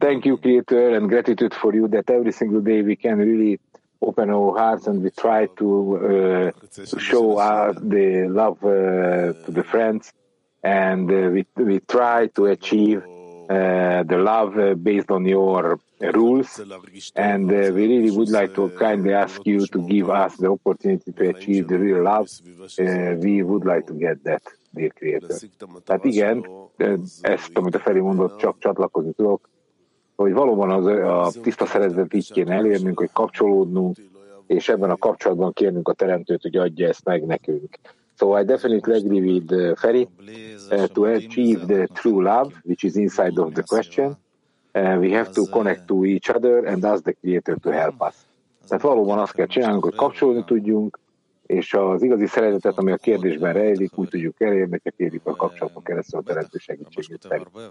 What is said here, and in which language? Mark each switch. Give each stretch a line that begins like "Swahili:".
English: thank you Peter and gratitude for you that every single day we can really open our hearts and we try to show our the love to the friends and we try to achieve the love based on your rules and we really would like to kindly ask you to give us the opportunity to achieve the real love. We would like to get that, dear Creator. But again, as
Hungarian: Tomita Feri mondott, csak csatlakozni tudok, hogy valóban az a tiszta szeretet így kéne elérnünk, hogy kapcsolódnunk, és ebben a kapcsolatban kérnünk a Teremtőt, hogy adja ezt meg nekünk.
English: So I definitely agree with Feri to achieve the true love, which is inside of the question. We have to connect to each other and ask the Creator to help us.
Hungarian: Tehát valóban azt kell csinálnunk, hogy kapcsolódni tudjunk, és az igazi szeretetet, ami a kérdésben rejlik, úgy tudjuk elérni, hogy kérjük a kapcsolatban keresztül a Teremtő segítségét meg.